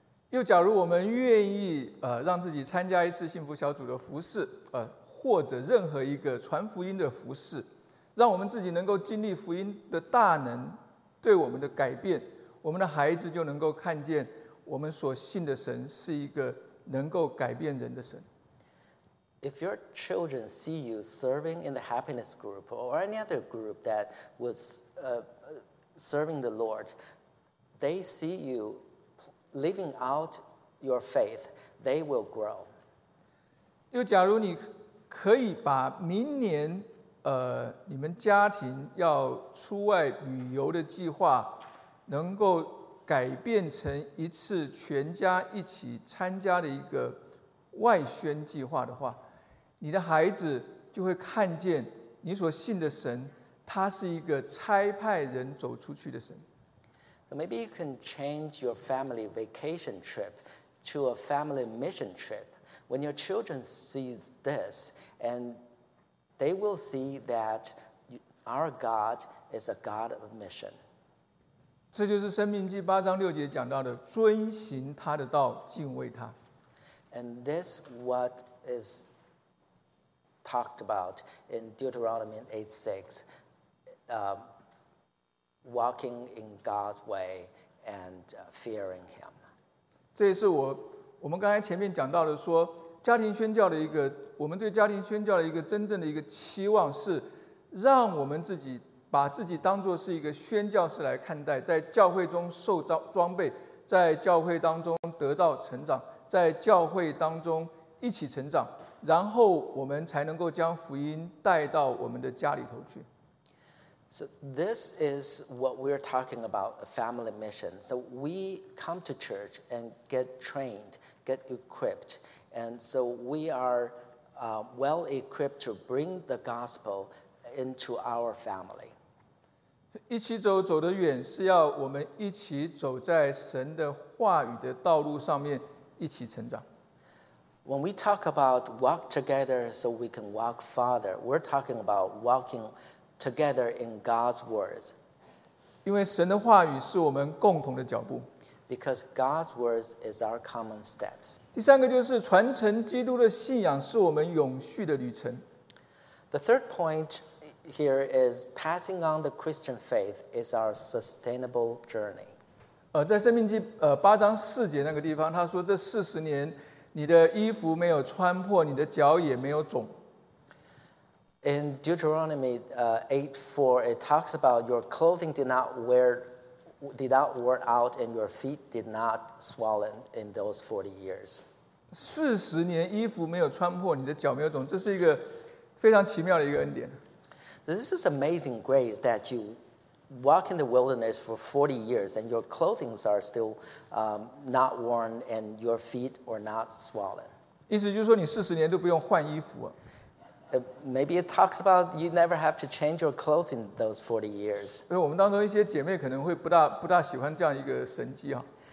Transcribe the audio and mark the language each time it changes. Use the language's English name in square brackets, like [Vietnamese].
[Chinese] 又假如我们愿意让自己参加一次幸福小组的服事或者任何一个传福音的服事，让我们自己能够经历福音的大能对我们的改变，我们的孩子就能够看见我们所信的神是一个能够改变人的神。 [English] If your children see you serving in the happiness group or any other group that was serving the Lord, they see you living out your faith, they will grow. [Chinese] 又假如你可以把明年你们家庭要出外旅游的计划能够改变成一次全家一起参加的一个外宣计划的话，你的孩子就会看见你所信的神他是一个差派人走出去的神。 [English] So maybe you can change your family vacation trip to a family mission trip. When your children see this, and they will see that our God is a God of mission. [Chinese] 这就是生命记八章六节讲到的遵行他的道敬畏他。 [English] And this what is talked about in Deuteronomy 8:6, walking in God's way and fearing Him. [Chinese] 这也是我们刚才前面讲到的说家庭宣教的一个，我们对家庭宣教的一个真正的一个期望是让我们自己把自己当作是一个宣教士来看待，在教会中受装备，在教会当中得到成长，在教会当中一起成长，然后我们才能够将福音带到我们的家里头去。 [English] So this is what we're talking about, a family mission. So we come to church and get trained, get equipped, and so we are well equipped to bring the gospel into our family. [Chinese] 一起走，走得远，是要我们一起走在神的话语的道路上面，一起成长。 [English] When we talk about walk together so we can walk farther, we're talking about walking together in God's words. [Chinese] 因为神的话语是我们共同的脚步。 [English] Because God's words is our common steps. [Chinese] 第三个就是传承基督的信仰是我们永续的旅程。 [English] The third point here is passing on the Christian faith is our sustainable journey. [Chinese] 在生命记八章四节那个地方，他说这四十年你的衣服没有穿破，你的脚也没有肿。 [English] In Deuteronomy 8:4, it talks about your clothing did not wear out, and your feet did not swollen in those 40 years. [Chinese] 四十年衣服没有穿破，你的脚没有肿，这是一个非常奇妙的一个恩典。 [English] This is amazing grace that you walk in the wilderness for 40 years and your clothing are still not worn and your feet are not swollen. [Chinese] 意思就是说你40年都不用换衣服啊。 [English] Maybe it talks about you never have to change your clothes in those 40 years. [Chinese] 因为我们当中一些姐妹可能会不大喜欢这样一个神迹啊。